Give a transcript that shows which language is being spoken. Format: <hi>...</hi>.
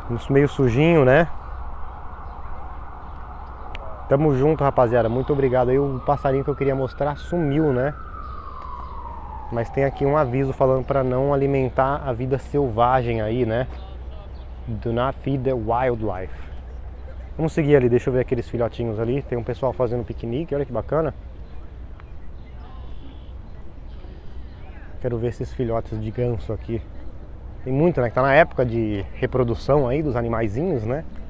<pt>Meio sujinho, né? Tamo junto, rapaziada. Muito obrigado. Aí o passarinho que eu queria mostrar sumiu, né? Mas tem aqui um aviso falando pra não alimentar a vida selvagem aí, né?</pt> <en>Do not feed the wildlife.</en> <pt>Vamos seguir ali. Deixa eu ver aqueles filhotinhos ali. Tem um pessoal fazendo piquenique. Olha que bacana. Quero ver esses filhotes de ganso aqui. Tem muito, né? Que tá na época de reprodução aí dos animaizinhos, né?</pt>